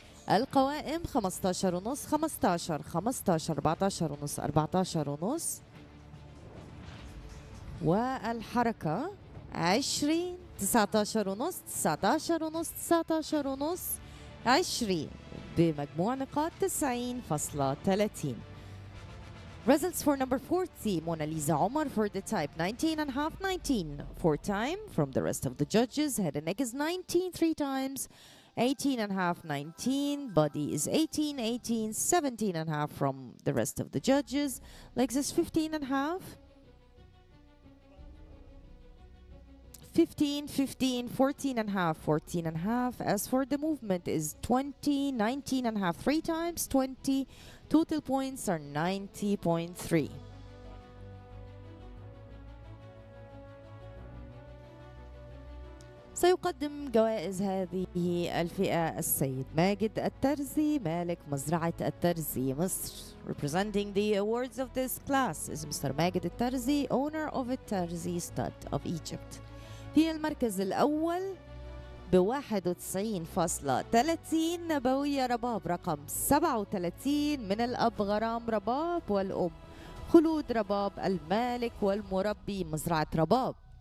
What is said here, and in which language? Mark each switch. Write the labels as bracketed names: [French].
[Arabic] القوائم 15.5 15 15 14.5 14.5 والحركة 20 19.5 19.5 19.5 20 بمجموع نقاط 90.30. [English] Results for number 40, Mona Lisa Omar for the type 19 and a half, 19 four time from the rest of the judges. Head and neck is 19 three times. 18 and a half, 19. Body is 18, 18, 17 and a half from the rest of the judges. Legs is 15 and a half. 15, 15, 14 and a half, 14 and a half. As for the movement is 20, 19 and a half, three times, 20. Total points are 90.3. [Arabic] سيقدم جوائز هذه الفئة السيد ماجد الترزي مالك مزرعة الترزي مصر. [English] Representing the awards of this class is Mr. Maged الترزي, owner of the Terzi Stud of Egypt. [Arabic] في المركز الأول ب 91.30 نبوية رباب رقم 37 من الأب غرام رباب والأم خلود رباب المالك والمربي مزرعة رباب.